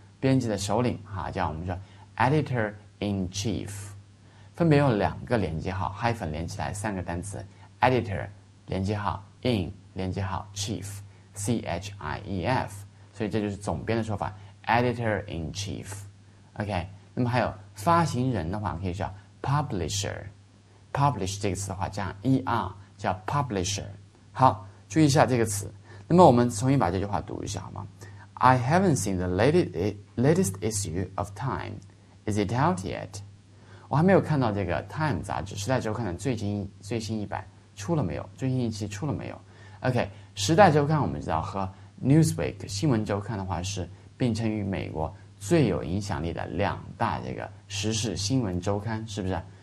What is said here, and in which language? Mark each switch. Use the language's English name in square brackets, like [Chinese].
[Chinese] 编辑的首领哈、啊，叫我们说 editor in chief， 分别用两个连接号 hyphen 连起来三个单词 editor 连接号 in 连接号 chief c h i e f， 所以这就是总编的说法 editor in chief。 OK， 那么还有发行人的话可以叫 publisher，publish 这个词的话加上 e r 叫 publisher。好，注意一下这个词。那么我们重新把这句话读一下好吗？ [English] I haven't seen the latest issue of Time. Is it out yet? [Chinese] 我还没有看到这个 Time 杂志时代周刊的最新一版出了没有最新一期出了没有 OK 时代周刊我们知道和 Newsweek 新闻周刊的话是并称于美国最有影响力的两大这个时事新闻周刊，是不是？